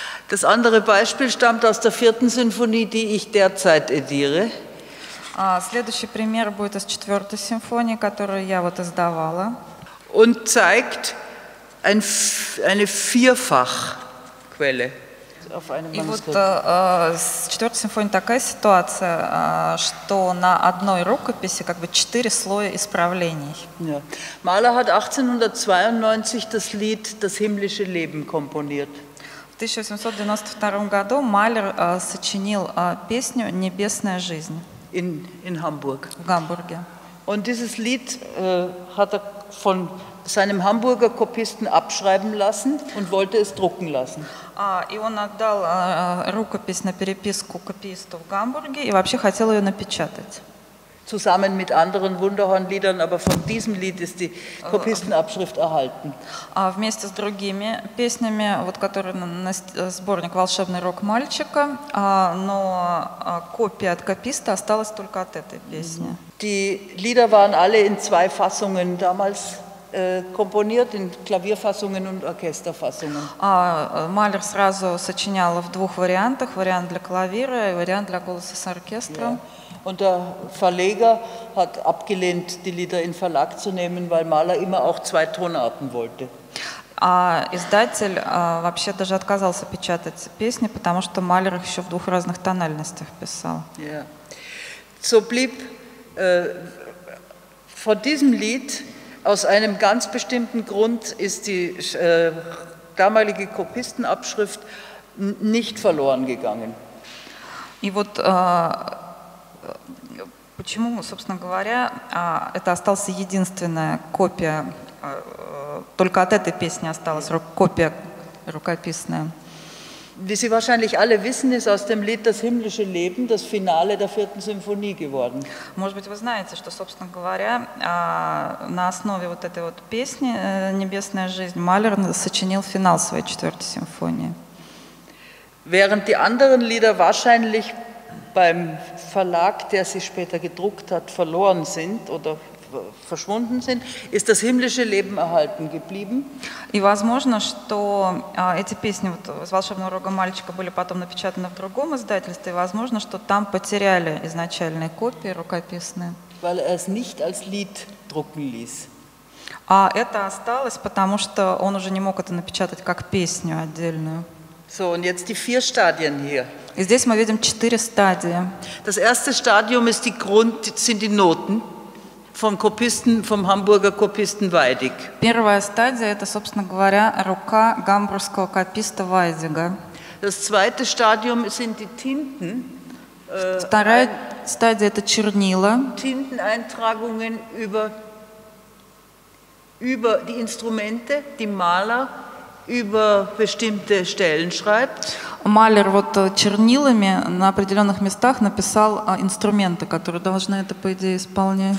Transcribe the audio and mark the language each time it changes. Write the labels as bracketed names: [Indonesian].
[German] Das andere Beispiel stammt aus der vierten Sinfonie, die ich derzeit ediere. [Russian] Следующий пример будет из четвертой симфонии, которую я вот издавала. [German] Und zeigt eine Vierfachquelle. [Russian] И вот с четвертой симфонии такая ситуация, что на одной рукописи как бы четыре слоя исправлений. [German] Малер hat 1892 das Lied «Das himmlische Leben» komponiert. [Russian] В 1892 году Малер сочинил песню «Небесная жизнь». [German] In Hamburg. [Russian] В Гамбурге. [German] Und dieses Lied hat von seinem Hamburger Kopisten abschreiben lassen und wollte es drucken lassen. [Russian] И он отдал рукопись на переписку копиисту в Гамбурге и вообще хотел ее напечатать. [German] Zusammen mit anderen Wunderhorn-Liedern, aber von diesem Lied ist die Kopistenabschrift erhalten. [Russian] Вместе с другими песнями, вот которые на сборник «Волшебный рок мальчика», но копия от кописта осталась только от этой песни. [German] Die Lieder waren alle in zwei Fassungen damals komponiert, in Klavierfassungen und Orchesterfassungen. [Russian] Малер сразу сочинял в двух вариантах, вариант для клавира и вариант для голоса с оркестром. Yeah. [German] Und der Verleger hat abgelehnt, die Lieder in Verlag zu nehmen, weil Малер immer auch zwei Tonarten wollte. [Russian] Издатель вообще даже отказался печатать песни, потому что Малер их еще в двух разных тональностях писал. Yeah. [German] So blieb von diesem Lied aus einem ganz bestimmten Grund ist die damalige Kopistenabschrift nicht verloren gegangen. [Russian] И вот почему, собственно говоря, это остался единственная копия, только от этой песни осталась копия рукописная. [German] Wie Sie wahrscheinlich alle wissen, ist aus dem Lied «Das himmlische Leben» das Finale der vierten Symphonie geworden. [Russian] Может быть, вы знаете, что, собственно говоря, на основе вот этой вот песни «Небесная жизнь» Малер сочинил финал своей четвертой симфонии. [German] Während die anderen Lieder wahrscheinlich beim Verlag, der sie später gedruckt hat, verloren sind oder verschwunden sind, ist das himmlische Leben erhalten geblieben. [Russian] И возможно, что эти песни вот из «Волшебного рога мальчика» были потом напечатаны в другом издательстве, и возможно, что там потеряли изначальные копии рукописные. [German] Weil es nicht als Lied drucken ließ. [Russian] А это осталось, потому что он уже не мог это напечатать как песню отдельную. [German] So, und jetzt die vier Stadien hier. [Russian] И здесь мы видим четыре стадии. [German] Das erste Stadium ist die Grund, sind die Noten. Vom Kopisten, vom Hamburger Kopisten Weidig. [Russian] Первая стадия – это, собственно говоря, рука гамбургского кописта Вайдига. [German] Das zweite Stadium sind die Tinten. [Russian] Вторая стадия – это чернила. [German] Tinteneintragungen über die Instrumente, die Maler über bestimmte Stellen schreibt. [Russian] Малер вот чернилами на определенных местах написал инструменты, которые должны это, по идее, исполнять.